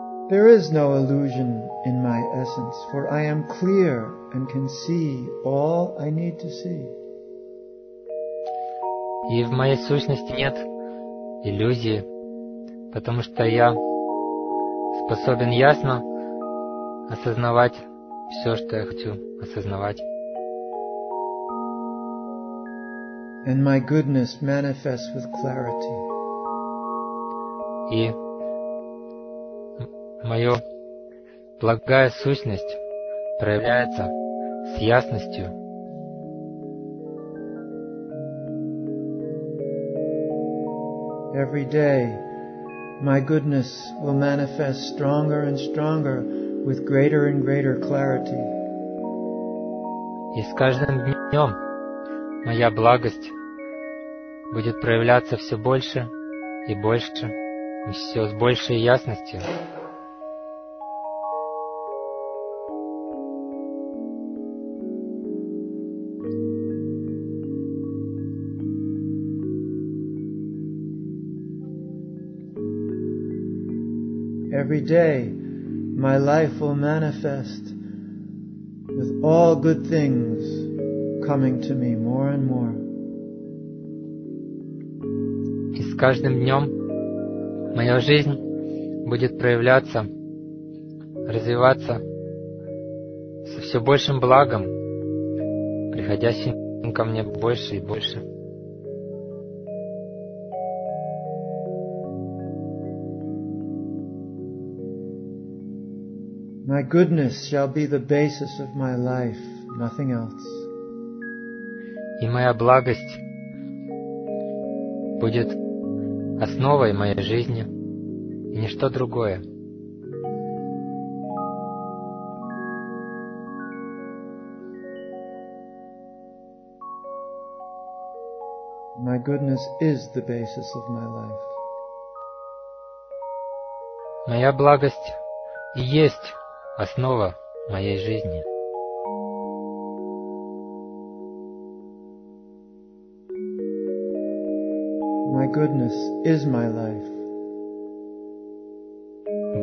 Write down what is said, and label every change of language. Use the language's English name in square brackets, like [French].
[English] There is no illusion in my essence, for I am clear and can see all I need to see. [Russian] И в моей сущности нет иллюзии, потому что я способен ясно осознавать все, что я хочу осознавать. [English] And my goodness manifests with clarity. [Russian] И моя благая сущность проявляется с ясностью. [English] Every day my goodness will manifest stronger and stronger with greater and greater clarity. [Russian] И с каждым днем моя благость будет проявляться все больше и больше, и все с большей ясностью. [English] Every day my life will manifest with all good things coming to me more and more. [Russian] С каждым днем моя жизнь будет проявляться, развиваться со все большим благом, приходящим ко мне больше и больше. [English] My goodness shall be the basis of my life, nothing else. [Russian] И моя благость будет основой моей жизни и ничто другое. [English] My goodness is the basis of my life. [Russian] Моя благость и есть основа моей жизни. [English] Goodness is my life.